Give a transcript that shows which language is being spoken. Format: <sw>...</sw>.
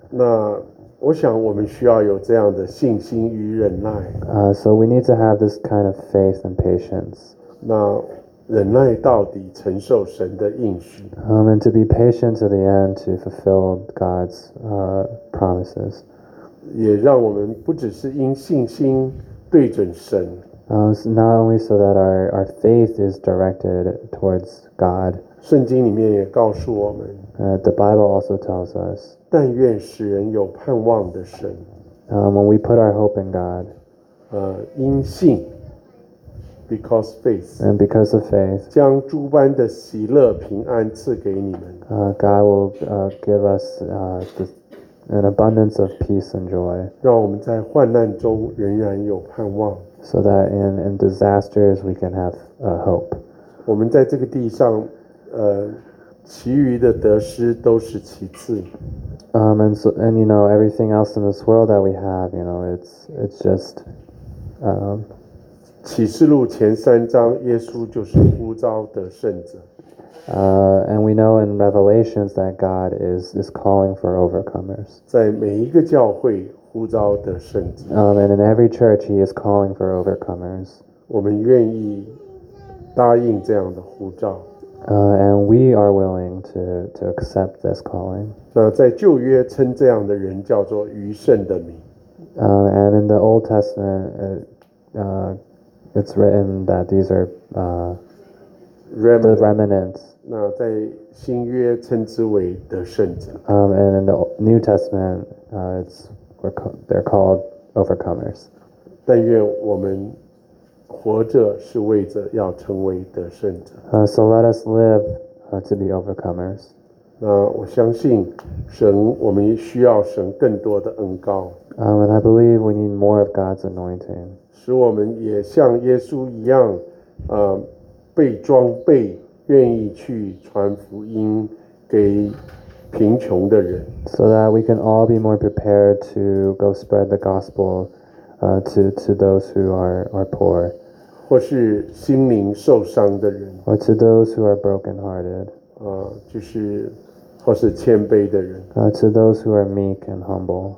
<zh>那我想我们需要有这样的信心与忍耐。</zh> <en>So we need to have this kind of faith and patience.</en> <zh>那忍耐到底承受神的应许。</zh> <en>And to be patient to the end to fulfill God's promises.</en> <zh>也让我们不只是因信心对准神。</zh> <en>So not only so that our faith is directed towards God.</en> <zh>圣经里面也告诉我们。</zh> <en>The Bible also tells us.</en> <zh>但愿使人有盼望的神。</zh> <en>When we put our hope in God, in 信, because faith, and because of faith,</en> <zh>将诸般的喜乐平安赐给你们,</zh> <en>God will give us an abundance of peace and joy,</en> <zh>让我们在患难中仍然有盼望,</zh> <en>so that in disasters we can have hope.</en> <zh>我们在这个地上, 其余的得失都是其次。</zh> <en>And you know, everything else in this world that we have, you know, it's just,</en> <zh>启示录前三章，耶稣就是呼召的圣者。</zh> <en>And we know in Revelations that God is calling for overcomers.</en> <zh>在每一个教会呼召的圣者。</zh> <en>And in every church he is calling for overcomers.</en> <zh>我们愿意答应这样的呼召。</zh> <en>And we are willing to accept this calling.</en> <zh>在旧约称这样的人叫做余圣的名。</zh> <en>And in the Old Testament, it's written that these are remnants. The remnants.</en> <zh>那在新约称之为得胜者。</zh> <en>And in the New Testament, they're called overcomers.</en> <zh>但愿我们活着是为着要成为得胜者。</zh> <en>So let us live to be overcomers.</en> <zh>那我相信神，我们需要神更多的恩膏。</zh> <en>And I believe we need more of God's anointing.</en> <zh>使我们也像耶稣一样，被装备，愿意去传福音给贫穷的人。</zh> <en>So that we can all be more prepared to go spread the gospel to those who are poor.</en> <zh>或是心灵受伤的人</zh> <en>or to those who are brokenhearted,</en> <zh>就是或是谦卑的人</zh> <en>to those who are meek and humble,</en>